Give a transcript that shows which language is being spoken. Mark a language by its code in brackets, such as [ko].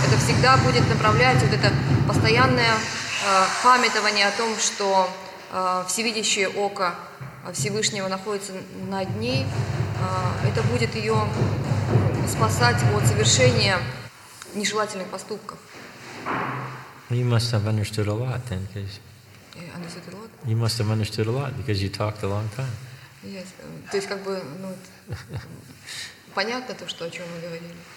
[ru] Это всегда будет направлять вот это постоянное памятование о том, что всевидящее око Всевышнего находится над ней. Это будет ее спасать от совершения нежелательных поступков. [en] You must have understood a lot then, because you must have understood a lot because you talked a long time. [ru] Yes, то есть как бы ну понятно то, что о чем мы говорили.